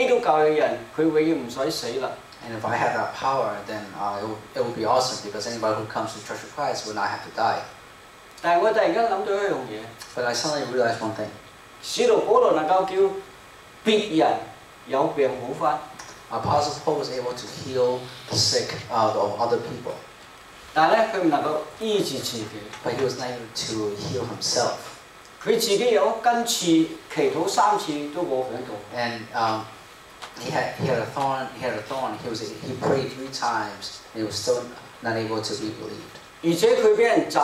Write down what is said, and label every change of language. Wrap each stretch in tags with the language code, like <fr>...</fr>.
<zh>假如我有这样的权柄，这样的力量，我就觉得很欢喜了。凡是来基督教的人，他永远不用死了。</zh> <en>And if I have that power, then it would be awesome because anybody who comes to the Church of Christ would not have to die.</en> <zh>但我突然间想到一样嘢。</zh> <en>But I suddenly realized one thing.</en> <zh>使徒保罗能够叫 别人有病好翻,</zh> <en>Apostle Paul was able to heal the sick out of other people.</en> <zh>但呢,他不能够医治自己,</zh> <en>but he was not able to heal himself.</en> <zh>他自己有根刺,祈祷三次都没有响到,</zh> <en>and he had a thorn, he prayed three times, and he was still not able to be believed.</en>